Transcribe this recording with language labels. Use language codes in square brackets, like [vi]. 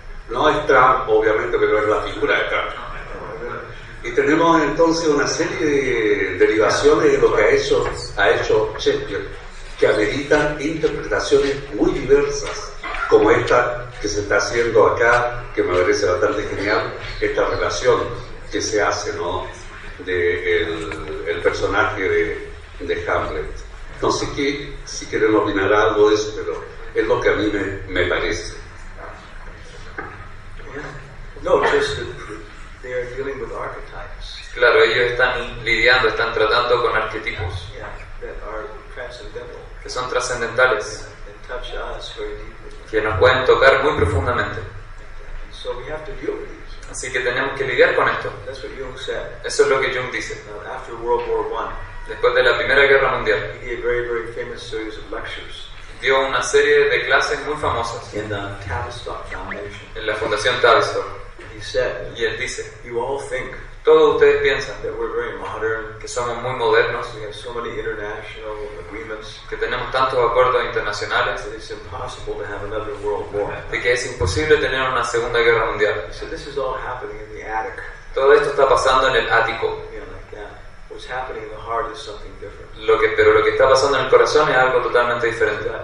[es] No es Trump, obviamente, pero es la figura de Trump. Y tenemos entonces una serie de derivaciones de lo que ha hecho Shakespeare, que ameritan interpretaciones muy diversas, como esta que se está haciendo acá, que me parece bastante genial, esta relación que se hace, ¿no?, del personaje de Hamlet. No sé qué, si quieren opinar algo de eso, pero es lo que a mí me parece. [en] No, just they are dealing with archetypes. [es] Claro, ellos están lidiando, están tratando con arquetipos. [en] Yeah, that are transcendental. [es] Que son trascendentales. [en] And touch us very deeply. [es] Que nos pueden tocar muy profundamente. [en] So we have to deal with these. [es] Así que tenemos que lidiar con esto. [en] That's what Jung said. [es] Eso es lo que Jung dice. [en] After World War I, [es] después de la Primera Guerra Mundial, [en] he gave a very, very famous series of lectures. [es] Dio una serie de clases muy famosas [en] in the Tavistock Foundation. [es] En la Fundación Tavistock. [en] He said, [es] y él dice, [en] you all think, [es] todos ustedes piensan, [en] that we're very modern, [es] que somos muy modernos, [en] we have so many international agreements, [es] que tenemos tantos acuerdos internacionales, [en] that it's impossible to have another world war, [es] de que es imposible tener una Segunda Guerra Mundial. [en] So this is all happening in the attic. [es] Todo esto está pasando en el ático. [en] What's happening in the heart is something different. [es] Lo que está pasando en el corazón es algo totalmente diferente.